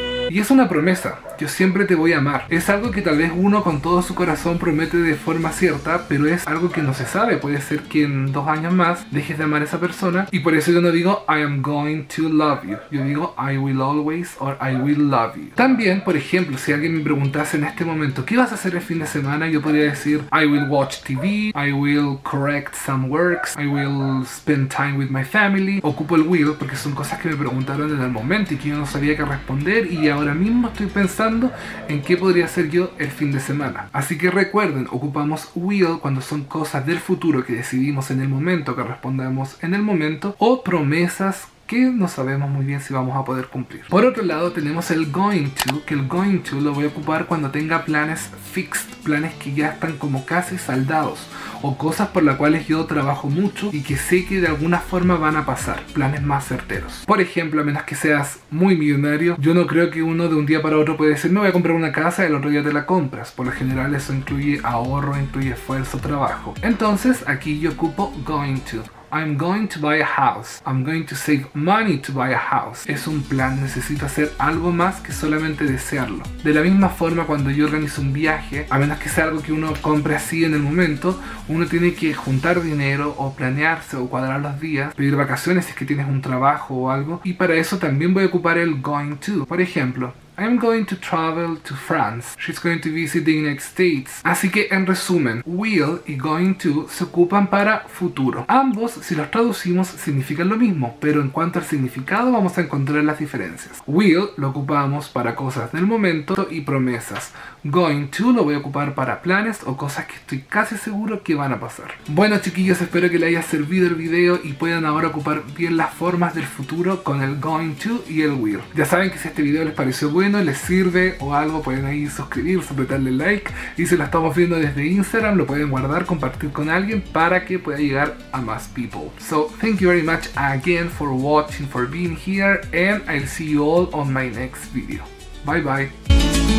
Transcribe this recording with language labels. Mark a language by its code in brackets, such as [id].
[es] Y es una promesa, yo siempre te voy a amar. Es algo que tal vez uno con todo su corazón promete de forma cierta, pero es algo que no se sabe, puede ser que en 2 años más dejes de amar a esa persona. Y por eso yo no digo [en] I am going to love you, [es] yo digo [en] I will always or I will love you. [es] También, por ejemplo, si alguien me preguntase en este momento ¿qué vas a hacer el fin de semana? Yo podría decir [en] I will watch TV, I will correct some works, I will spend time with my family. [es] Ocupo el will porque son cosas que me preguntaron en el momento y que yo no sabía qué responder, y ahora mismo estoy pensando en qué podría hacer yo el fin de semana. Así que recuerden, ocupamos will cuando son cosas del futuro que decidimos en el momento, que respondamos en el momento, o promesas que no sabemos muy bien si vamos a poder cumplir. Por otro lado, tenemos el going to, que el going to lo voy a ocupar cuando tenga planes fixed, planes que ya están como casi saldados, o cosas por las cuales yo trabajo mucho y que sé que de alguna forma van a pasar, planes más certeros. Por ejemplo, a menos que seas muy millonario, yo no creo que uno de un día para otro puede decir me voy a comprar una casa y el otro día te la compras. Por lo general eso incluye ahorro, incluye esfuerzo, trabajo. Entonces aquí yo ocupo going to. [en] I'm going to buy a house. I'm going to save money to buy a house. [es] Es un plan, necesito hacer algo más que solamente desearlo. De la misma forma, cuando yo organizo un viaje, a menos que sea algo que uno compre así en el momento, uno tiene que juntar dinero o planearse o cuadrar los días, pedir vacaciones si es que tienes un trabajo o algo, y para eso también voy a ocupar el going to. Por ejemplo, [en] I'm going to travel to France. She's going to visit the United States. [es] Así que en resumen, will y going to se ocupan para futuro. Ambos, si los traducimos, significan lo mismo, pero en cuanto al significado vamos a encontrar las diferencias. Will lo ocupamos para cosas del momento y promesas. Going to lo voy a ocupar para planes o cosas que estoy casi seguro que van a pasar. Bueno, chiquillos, espero que les haya servido el video y puedan ahora ocupar bien las formas del futuro con el going to y el will. Ya saben que si este video les pareció bueno, les sirve o algo, pueden ahí suscribirse, apretarle like, y si lo estamos viendo desde Instagram, lo pueden guardar, compartir con alguien para que pueda llegar a más people. [en] So, thank you very much again for watching, for being here, and I'll see you all on my next video. Bye bye.